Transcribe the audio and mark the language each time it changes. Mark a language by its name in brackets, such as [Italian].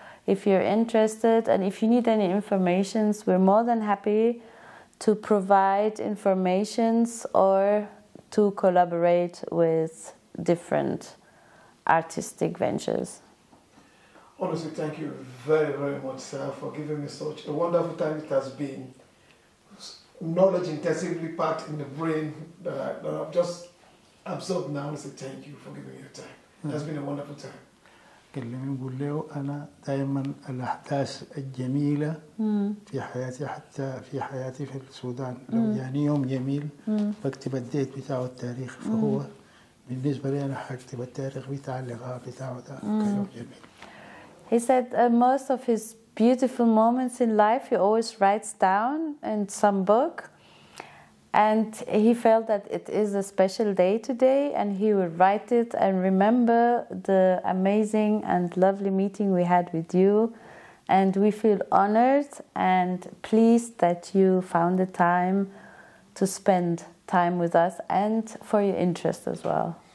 [English] If you're interested and if you need any information, we're more than happy to provide information or to collaborate with different artistic ventures. Honestly, thank you very, very much, sir, for giving me such a wonderful time. It has been knowledge intensively packed in the brain that I've just absorbed now. Honestly, thank you for giving me your time. It has been a wonderful time. [Arabic] كلمني نقول له أنا دائما الأحداث الجميلة في حياتي حتى في حياتي في السودان لو يعني يوم جميل بكتب الديت بتاعه التاريخ فهو بالنسبة لي أنا حكتب التاريخ بتاع اللقاء بتاعه ده كيوم جميل. [English] He said most of his beautiful moments in life he always writes down in some book, and he felt that it is a special day today and he would write it and remember the amazing and lovely meeting we had with you, and we feel honored and pleased that you found the time to spend time with us and for your interest as well.